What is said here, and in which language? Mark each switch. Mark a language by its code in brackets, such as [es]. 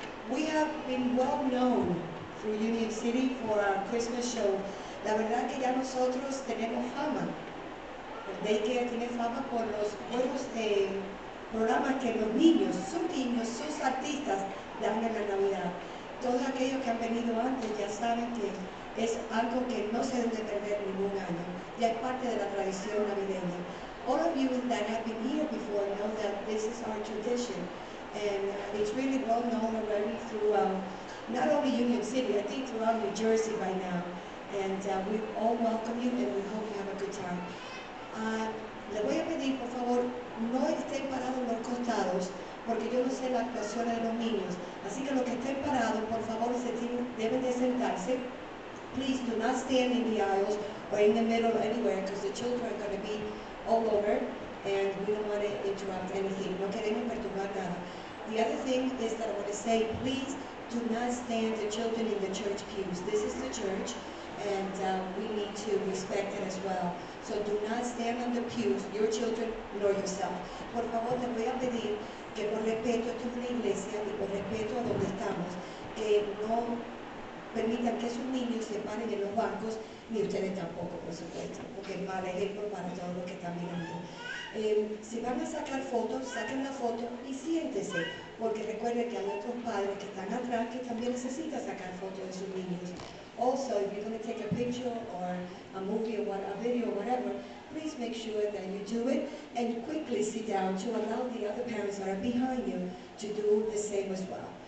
[en] We have been well known through Union City for our Christmas show. [es] La verdad que ya nosotros tenemos fama. El daycare tiene fama por los juegos de programas que los niños, sus niños, sus artistas dan en la Navidad. Todos aquellos que han venido antes ya saben que es algo que no se debe perder ningún año. Ya es parte de la tradición navideña. [en] All of you that have been here before know that this is our tradition, and it's really well known already through not only Union City, I think throughout New Jersey by now. And we all welcome you, and we hope you have a good time. [es] Le voy a pedir, por favor, no estén parados en los costados, porque yo no sé la actuación de los niños. Así que los que estén parados, por favor, deben de sentarse. [en] Please do not stand in the aisles or in the middle anywhere, because the children are going to be all over, and we don't want to interrupt anything. [es] No queremos perturbar nada. [en] The other thing is that I want to say, please do not stand the children in the church pews. This is the church, and we need to respect it as well. So do not stand on the pews, your children nor yourself. [es] Por favor, les voy a pedir que por respeto a toda la iglesia y por respeto a donde estamos, que no permitan que sus niños se paren en los bancos, ni ustedes tampoco, por supuesto, porque es mal ejemplo para todos los que están mirando. Si van a sacar fotos, saquen la foto y siéntese, porque recuerden que hay otros padres que están atrás que también necesitan sacar fotos de sus niños. [en] Also, if you're going to take a picture or a movie or a video or whatever, please make sure that you do it and quickly sit down to allow the other parents that are behind you to do the same as well.